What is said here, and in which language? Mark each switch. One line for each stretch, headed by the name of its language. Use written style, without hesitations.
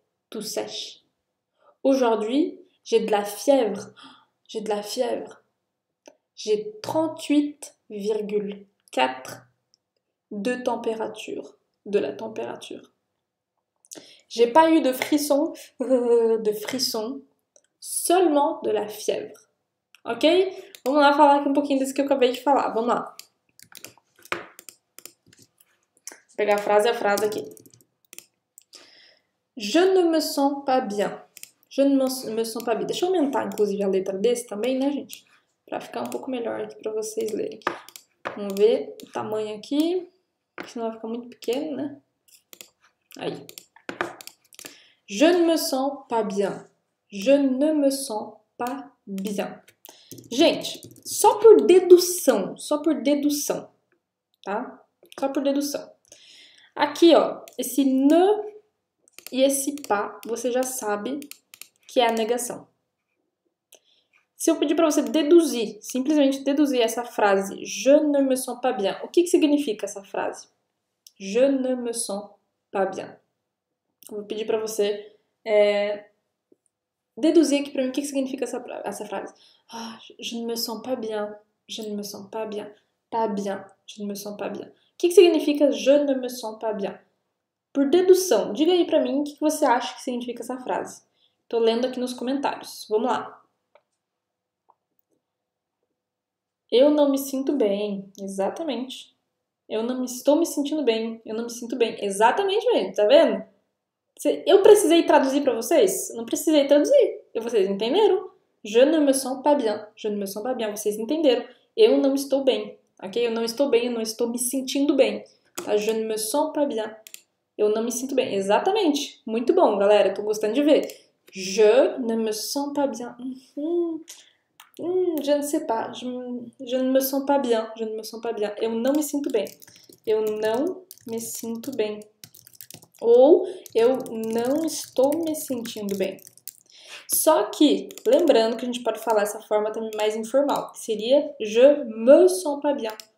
French: Toux sèche. Aujourd'hui, j'ai de la fièvre. J'ai de la fièvre. J'ai 38,4 de température, de la température. J'ai pas eu de frisson, de frisson, seulement de la fièvre. Ok?
Portuguese: Vamos lá falar aqui um pouquinho disso que eu acabei de falar. Vamos lá. Pegar frase a frase aqui.
French: Je ne me sens pas bien. Je ne me sens pas bien.
Portuguese: Deixa eu aumentar, inclusive, a letra desse também, né, gente? Pra ficar um pouco melhor aqui pra vocês lerem. Vamos ver o tamanho aqui. Senão vai ficar muito pequeno, né?
French: Aí. Je ne me sens pas bien. Je ne me sens pas bien.
Portuguese: Gente, só por dedução. Só por dedução. Tá? Só por dedução. Aqui, ó. Esse ne e esse pas, você já sabe que é a negação. Se eu pedir para você deduzir, simplesmente deduzir essa frase,
French: je ne me sens pas bien,
Portuguese: o que que significa essa frase?
French: Je ne me sens pas bien.
Portuguese: Vou pedir para você deduzir aqui para mim o que que significa essa frase.
French: Ah, je ne me sens pas bien, je ne me sens pas bien, pas bien, je ne me sens pas bien.
Portuguese: O que que significa
French: je ne me sens pas bien?
Portuguese: Por dedução, diga aí para mim o que que você acha que significa essa frase. Tô lendo aqui nos comentários. Vamos lá. Eu não me sinto bem. Exatamente. Eu não estou me sentindo bem. Eu não me sinto bem. Exatamente, gente. Tá vendo? Eu precisei traduzir para vocês? Não precisei traduzir. E vocês entenderam?
French: Je ne me sens pas bien. Je ne me sens pas bien.
Portuguese: Vocês entenderam. Eu não estou bem. Ok? Eu não estou bem. Eu não estou me sentindo bem. Tá?
French: Je ne me sens pas bien.
Portuguese: Eu não me sinto bem. Exatamente. Muito bom, galera. Tô gostando de ver.
French: Je ne me sens pas bien. Je ne sais pas. Je ne me sens pas bien. Je ne me sens pas bien.
Portuguese: Eu não me sinto bem. Eu não me sinto bem. Ou eu não estou me sentindo bem. Só que, lembrando que a gente pode falar essa forma também mais informal. Que seria
French: je me sens pas bien.